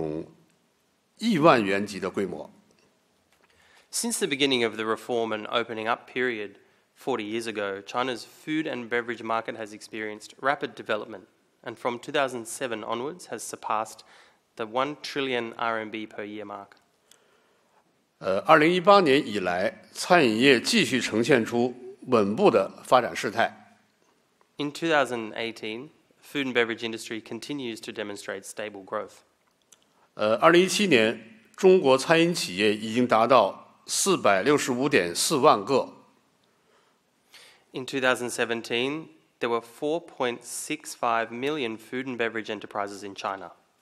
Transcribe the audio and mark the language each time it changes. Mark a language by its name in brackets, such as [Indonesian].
[Chinese] 中国改革开放40年来，中国餐饮业实现了高速的发展。2007年开始就跨入了这种亿万元级的规模。 [English] Since the beginning of the reform and opening up period 40 years ago, China's food and beverage market has experienced rapid development and from 2007 onwards has surpassed the 1 trillion RMB per year mark. [Chinese] 2018年以来, 餐饮业继续呈现出稳步的发展势态。 [English] In 2018, food and beverage industry continues to demonstrate stable growth. [Chinese] 2017年, 中国餐饮企业已经达到 465.4万个。 [English] In 2017, there were 4.65 million food and beverage enterprises in China.